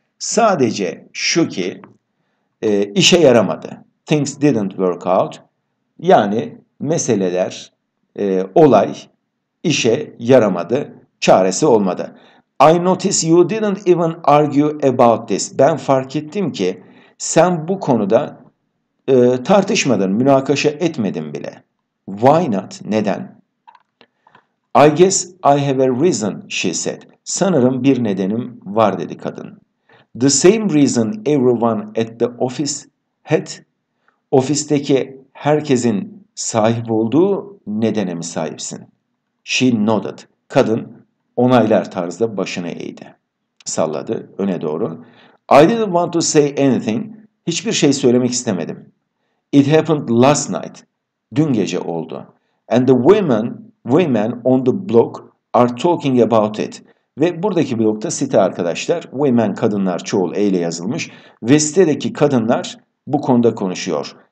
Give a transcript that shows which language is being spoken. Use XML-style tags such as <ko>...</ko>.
<tr>Sadece şu ki işe yaramadı.</tr> <en>Things didn't work out.</en> <tr>Yani meseleler, olay işe yaramadı, çaresi olmadı.</tr> <en>I noticed you didn't even argue about this.</en> <tr>Ben fark ettim ki sen bu konuda tartışmadın, münakaşa etmedin bile.</tr> <en>Why not?</en> <tr>Neden?</tr> <en>I guess I have a reason, she said.</en> <tr>Sanırım bir nedenim var, dedi kadın.</tr> <en>The same reason everyone at the office had.</en> <tr>Ofisteki herkesin sahip olduğu nedene mi sahipsin?</tr> <en>She nodded.</en> <tr>Kadın onaylar tarzda başını eğdi. Salladı öne doğru.</tr> <en>I didn't want to say anything.</en> <tr>Hiçbir şey söylemek istemedim.</tr> <en>It happened last night.</en> <tr>Dün gece oldu.</tr> <en>And the women on the block are talking about it.</en> <tr>Ve buradaki blokta site arkadaşlar, women kadınlar çoğul e ile yazılmış ve sitedeki kadınlar bu konuda konuşuyor.</tr>